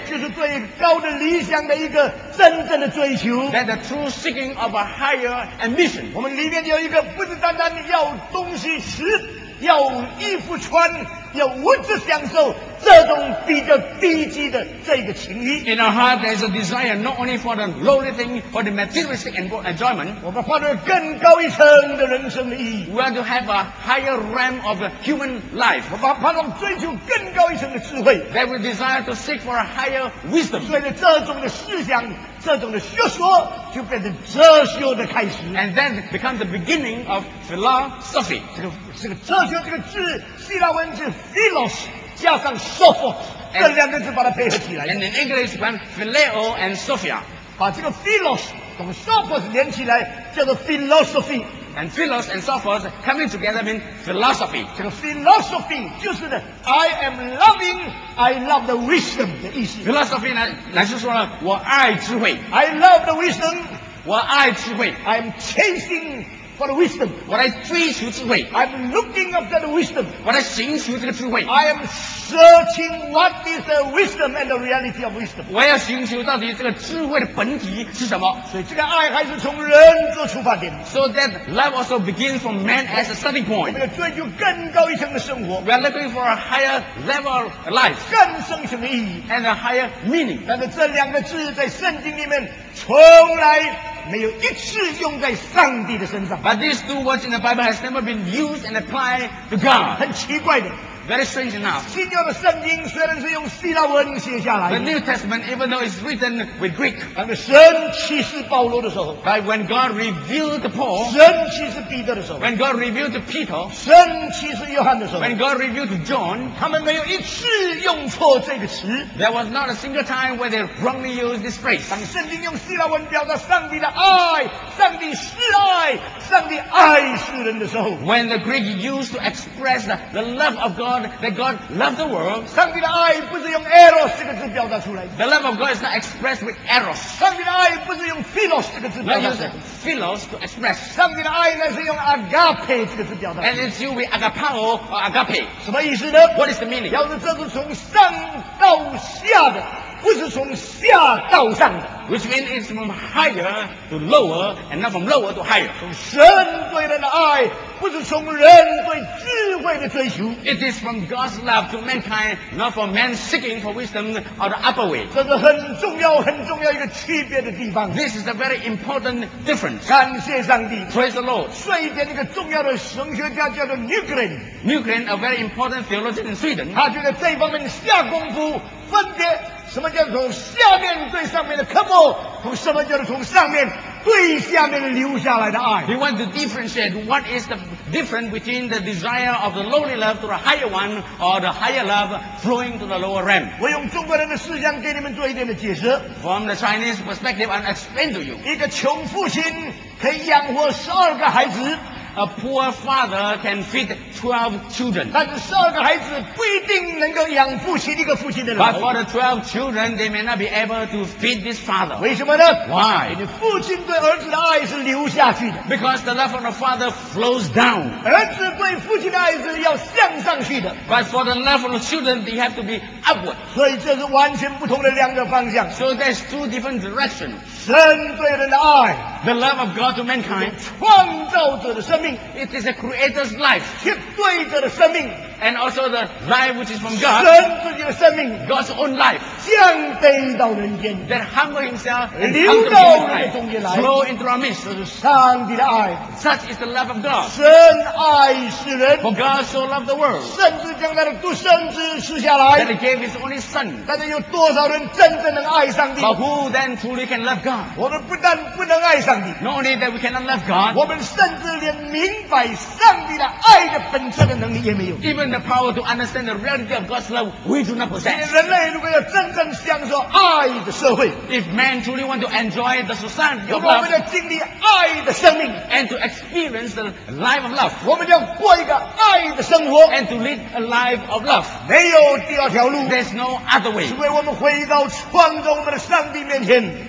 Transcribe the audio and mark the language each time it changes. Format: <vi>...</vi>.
<zh>就是对高的理想的一个真正的追求。</zh> <en>That the true seeking of a higher ambition。</en> <zh>我们里面有一个不是单单要东西吃，要衣服穿。有物质享受这种比较低级的这个情欲。</zh> <en>In our heart, there is a desire not only for the lowly thing, for the materialistic enjoyment.</en> <zh>我们换了更高一层的人生的意义。</zh> <en>We want to have a higher realm of human life.</en> <zh>我们盼望追求更高一层的智慧。</zh> <en>That we desire to seek for a higher wisdom.</en> <zh>所以这种的思想，这种的学说，就变成哲学的开始。</zh> <en>And then become the beginning of philosophy.</en> <zh>这个哲学这个字，希腊文字。 Philos 加上 Sophos 这两个字把它配合起来</zh> <en>and in English when Phileo and Sophia</en> <zh>把这个 Philos 跟 Sophos 连起来叫做 Philosophy</zh> <en>and Philos and Sophos coming together mean Philosophy</en> <zh>这个 Philosophy 就是的</zh> <en>I am loving I love the wisdom</en> <zh>的意思 Philosophy 乃是说我爱智慧</zh> <en>I love the wisdom</en> <zh>我爱智慧</zh> <en>I am chasing For the wisdom, what I</en> <zh>追求智慧</zh> <en>I'm looking after the wisdom. What I</en> <zh>寻求这个智慧</zh> <en>I am searching what is the wisdom and the reality of wisdom.</en> <zh>我要寻求到底这个智慧的本体是什么？所以这个爱还是从人做出发点。</zh> <en>So that love also begins from man as a starting point.</en> <zh>我们要追求更高一层的生活。</zh> <en>We are looking for a higher level of life.</en> <zh>更深层的意义</zh> <en>and a higher meaning.</en> <zh>但是这两个字在圣经里面从来。没有一次用在上帝的身上。</zh> <en>But these two words in the Bible has never been used and applied to God.</en> <zh>很奇怪的。</zh> <en>Very strange enough.</en> <zh>新约的圣经虽然是用希腊文写下来。</zh> <en>The New Testament, even though it's written with Greek.</en> <zh>但是神启示保罗的时候。</zh> <en>But when God revealed to Paul.</en> <zh>神启示彼得的时候。</zh> <en>When God revealed to Peter.</en> <zh>神启示约翰的时候。</zh> <en>When God revealed to John.</en> <zh>他们没有一次用错这个词。</zh> <en>There was not a single time where they wrongly used this phrase.</en> <zh>当圣经用希腊文表达上帝的爱，上帝是爱，上帝爱世人的时候。</zh> <en>When the Greek used to express the love of God. God that God loved the world.</en> <zh>上帝的爱不是用 eros 这个字表达出来的。</zh> <en>The love of God is not expressed with eros.</en> <zh>上帝的爱不是用 philos 这个字表达出来的。</zh> <en>Not use philos to express.</en> <zh>上帝的爱那是用 agape 这个字表达出来的。</zh> <en>And it's used with agapao or agape.</en> <zh>什么意思呢？</zh> <en>What is the meaning?</en> <zh>要是这是从上到下的，不是从下到上的。</zh> <en>Which means it's from higher to lower, and not from lower to higher.</en> <zh>从神对人的爱，不是从人对智慧的追求。</zh> <en>It is from God's love to mankind, not from man seeking for wisdom or the upper way.</en> <zh>这是很重要、很重要一个区别的地方。</zh> <en>This is a very important difference.</en> <zh>感谢上帝。</zh> <en>Praise the Lord.</en> <zh>瑞典一个重要的神学家叫做 Nygren.</zh> <en>Nygren, a very important theologian in Sweden.</en> <zh>他觉得这方面下功夫分别。什么叫从下面对上面的科目，从什么叫做从上面对下面留下来的爱。</zh> <en>He wants to differentiate what is the difference between the desire of the lowly love to the higher one or the higher love flowing to the lower realm.</en> <zh>我用中国人的思想给你们做一点的解释。</zh> <en>From the Chinese perspective, I'll explain to you.</en> <zh>一个穷父亲可以养活12个孩子。</zh> <en>A poor father can feed 12 children.</en> <zh>但是十二个孩子不一定能够养父亲一个父亲的老。</zh> <en>But for the 12 children, they may not be able to feed this father.</en> <zh>为什么呢？</zh> <en>Why?</en> <zh>你父亲对儿子的爱是流下去的。</zh> <en>Because the love of the father flows down.</en> <zh>儿子对父亲的爱是要向上去的。</zh> <en>But for the love of the children, they have to be upward.</en> <zh>所以这是完全不同的两个方向。</zh> <en>So there's two different directions.</en> <zh>神对人的爱。</zh> <en>The love of God to mankind.</en> <zh>创造者的生命。</zh> <en>It is a creator's life.</en> <zh>是对者的生命。</zh> <en>And also the life which is from God.</en> <zh>神自己的生命。</zh> <en>God's own life.</en> <zh>降卑到人间。</zh> <en>That humble himself.</en> <zh>流到人的中间来。</zh> <en>Flow into our midst.</en> <zh>这是上帝的爱。</zh> <en>Such is the love of God.</en> <zh>神爱世人。</zh> <en>For God so loved the world.</en> <zh>甚至将他的独生子赐下来。</zh> <en>That he gave his only son.</en> <zh>但是有多少人真正能爱上帝？</zh> <en>But who then truly can love God?</en> <zh>我们不但不能爱。</zh> <en>Not only that we cannot love God,</en> <zh>我们甚至连明白上帝的爱的本质的能力也没有。</zh> <en>Even the power to understand the reality of God's love, we do not possess.</en> <zh>人类如果要真正享受爱的社会，</zh> <en>if man truly want to enjoy the society of love,</en> <zh>我们要经历爱的生命，</zh> <en>and to experience the life of love,</en> <zh>我们要过一个爱的生活，</zh> <en>and to lead a life of love,</en> <zh>没有第二条路，</zh> <en>there's no other way.</en> <zh>除非我们回到创造我们的上帝面前，</zh>